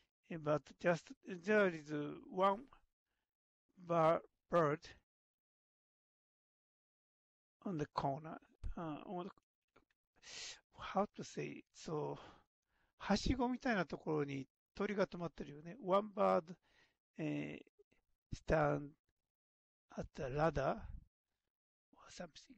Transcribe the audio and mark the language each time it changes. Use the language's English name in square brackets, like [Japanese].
[English] But just there is one bird on the corner. How to say it? [Japanese] So, はしごみたいなところに鳥が止まってるよね。 [English] One bird stand at the ladder or something.